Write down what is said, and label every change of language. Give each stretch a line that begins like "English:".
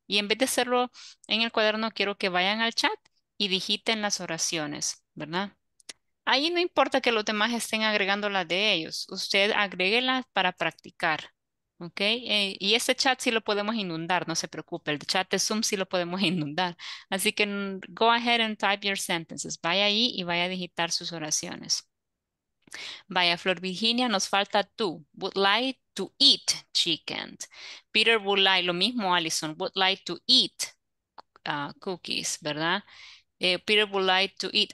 Spanish: Y en vez de hacerlo en el cuaderno, quiero que vayan al chat y digiten las oraciones, ¿verdad? Ahí no importa que los demás estén agregando las de ellos. Usted agréguelas para practicar, ¿ok? Y este chat sí lo podemos inundar, no se preocupe. El chat de Zoom sí lo podemos inundar. Así que
English: go ahead and type your sentences.
Spanish: Vaya ahí y vaya a digitar sus oraciones. Vaya, Flor Virginia, nos falta tú.
English: Would like to eat chicken. Peter would like,
Spanish: lo mismo
English: Allison, would like to eat cookies,
Spanish: ¿verdad?
English: Peter would like to eat.